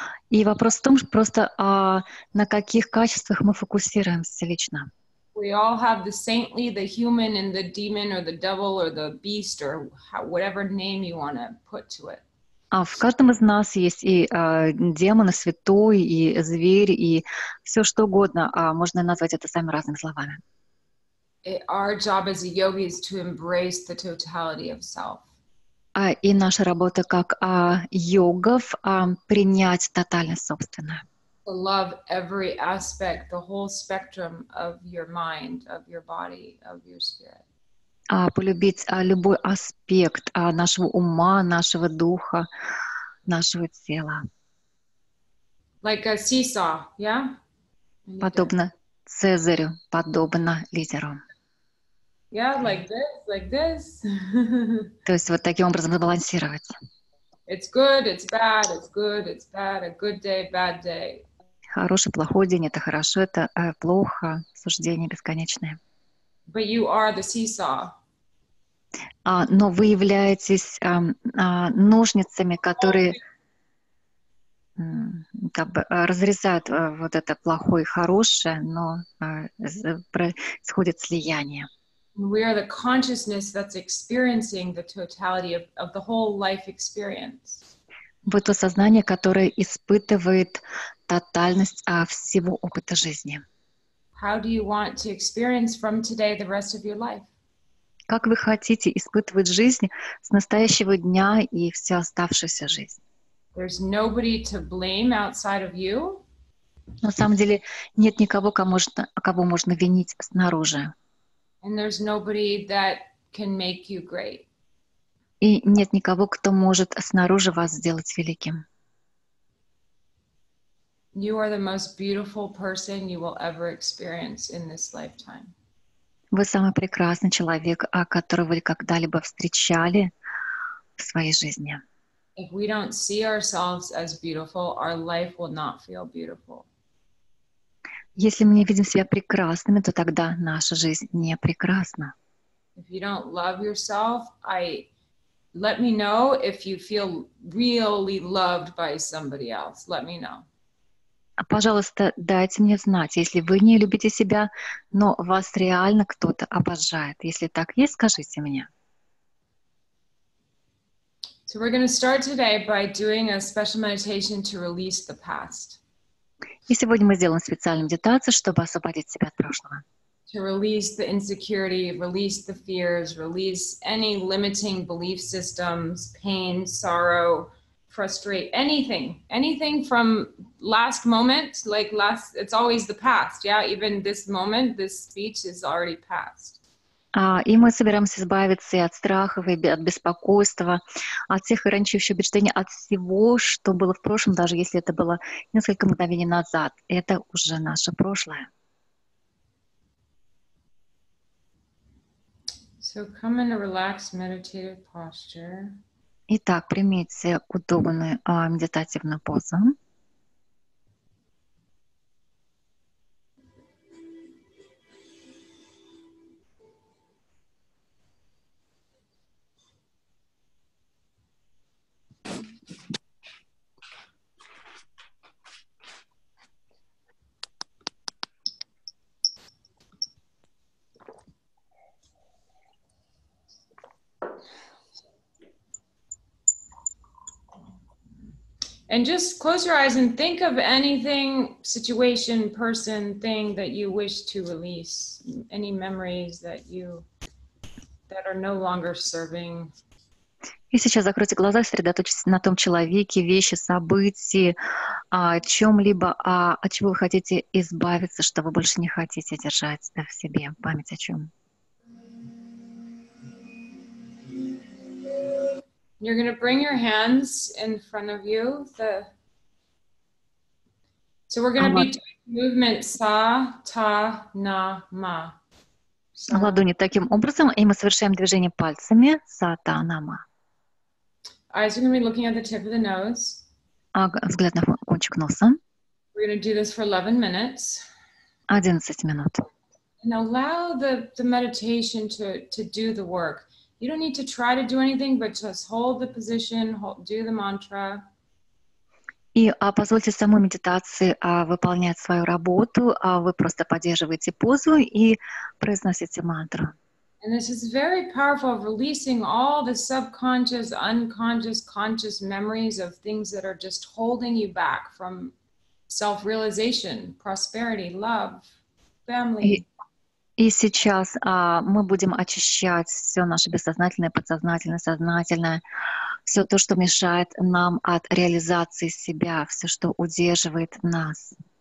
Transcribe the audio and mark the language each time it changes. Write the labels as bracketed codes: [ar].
[ru] И вопрос в том, что просто на каких качествах мы фокусируемся лично. [en] We all have the saintly, the human, and the demon, or the devil, or the beast, or whatever name you want to put to it. [ru] В каждом из нас есть и демон, и святой, и зверь, и все что угодно. Можно назвать это самыми разными словами. [en] Our job as a yogi is to embrace the totality of self. [ru] И наша работа как йогов принять тотальность собственное. [en] To love every aspect, the whole spectrum of your mind, of your body, of your spirit. [ru] Полюбить любой аспект нашего ума, нашего духа, нашего тела. [en] Like a seesaw, yeah? [ru] Подобно Цезарю, подобно лидеру. [en] Yeah, like this, like this. [ru] То есть вот таким образом сбалансировать. [en] It's good, it's bad, it's good, it's bad, a good day, bad day. [ru] Хороший, плохой день — это хорошо, это плохо, суждение бесконечное. [en] But you are the seesaw. [ru] Но вы являетесь ножницами, которые как бы разрезают вот это плохое и хорошее, но происходит слияние. [en] We are the consciousness that's experiencing the totality of the whole life experience. [ru] Вы то сознание, которое испытывает тотальность всего опыта жизни. [en] How do you want to experience from today the rest of your life? [ru] Как вы хотите испытывать жизнь с настоящего дня и всю оставшуюся жизнь? [en] There's nobody to blame outside of you. [ru] На самом деле нет никого, кого можно винить снаружи. [en] And there's nobody that can make you great. [ru] И нет никого, кто может снаружи вас сделать великим. [en] You are the most beautiful person you will ever experience in this lifetime. [ru] Вы самый прекрасный человек, которого вы когда-либо встречали в своей жизни. [en] If we don't see ourselves as beautiful, our life will not feel beautiful. [ru] Если мы не видим себя прекрасными, то тогда наша жизнь не прекрасна. [en] If you don't love yourself, let me know if you feel really loved by somebody else. Let me know. [ru] Пожалуйста, дайте мне знать, если вы не любите себя, но вас реально кто-то обожает. Если так есть, скажите мне. [en] So we're going to start today by doing a special meditation to release the past. [ru] И сегодня мы сделаем специальную медитацию, чтобы освободить себя от прошлого. [en] To release the insecurity, release the fears, release any limiting belief systems, pain, sorrow, frustrate anything from last moment, like last, it's always the past, yeah, even this moment, this speech is already past. [ru] И мы собираемся избавиться и от страхов, и от беспокойства, от всех ограничивающих убеждений, от всего, что было в прошлом, даже если это было несколько мгновений назад. Это уже наше прошлое. [en] So come in a relaxed meditative posture. [ru] Итак, примите удобную медитативную позу. [en] And just close your eyes and think of anything, situation, person, thing that you wish to release, any memories that are no longer serving. [ru] И сейчас закройте глаза, сосредоточьтесь на том человеке, вещи, событии, о чем-либо, от чего вы хотите избавиться, что вы больше не хотите держать в себе, память о чем. [en] You're going to bring your hands in front of you. So we're going to be doing movement sa, ta, na, ma. So. [ru] Ладони таким образом, и мы совершаем движение пальцами sa, ta, na, ma. [en] Eyes are going to be looking at the tip of the nose. [ru] Взгляд на кончик носа. [en] We're going to do this for 11 minutes. [ru] 11 минут. [en] And allow the meditation to do the work. You don't need to try to do anything, but just hold the position, do the mantra. [ru] И позвольте самой медитации выполнять свою работу, вы просто поддерживаете позу и произносите мантру. [en] And this is very powerful, releasing all the subconscious, unconscious, conscious memories of things that are just holding you back from self-realization, prosperity, love, family. [ru] И сейчас мы будем очищать все наше бессознательное, подсознательное, сознательное, все то, что мешает нам от реализации себя, все, что удерживает нас.